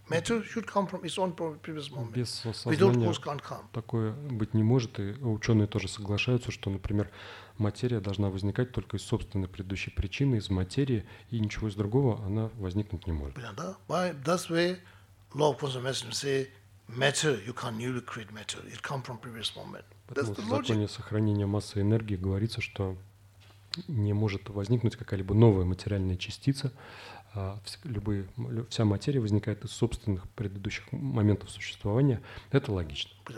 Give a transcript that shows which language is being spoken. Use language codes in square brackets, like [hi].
[en] Matter should come from its own previous moment. [ru] Без сознания [en] without cause can't come. [ru] Такое быть не может, и ученые тоже соглашаются, что, например, материя должна возникать только из собственной предыдущей причины, из материи, и ничего из другого она возникнуть не может. Правда? [en] Why? That's why law of quantum mechanics say matter, you can't newly create matter. It comes from previous moment. [ru] Поэтому в законе сохранения массы энергии говорится, что не может возникнуть какая-либо новая материальная частица. Вся материя возникает из собственных предыдущих моментов существования. Это логично.